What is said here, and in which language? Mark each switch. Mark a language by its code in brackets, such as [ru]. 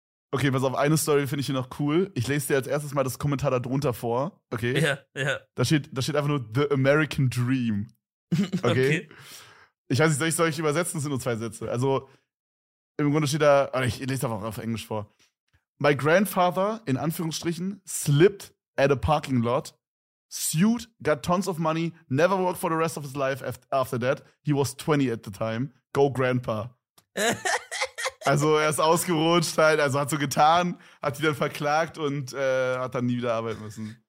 [de] Okay, pass auf, eine Story finde ich hier noch cool. Ich lese dir als erstes mal das Kommentar da drunter vor, okay? Ja, yeah, ja. Yeah. Da steht einfach nur The American Dream, okay? Okay. Ich weiß nicht, soll ich übersetzen? Das sind nur zwei Sätze. Also, im Grunde steht da, ich lese einfach auf Englisch vor. [en] My grandfather, in Anführungsstrichen, slipped at a parking lot, sued, got tons of money, never worked for the rest of his life after that. He was 20 at the time. Go, Grandpa. [de] Also er ist ausgerutscht halt, also hat so getan, hat die dann verklagt und hat dann nie wieder arbeiten müssen.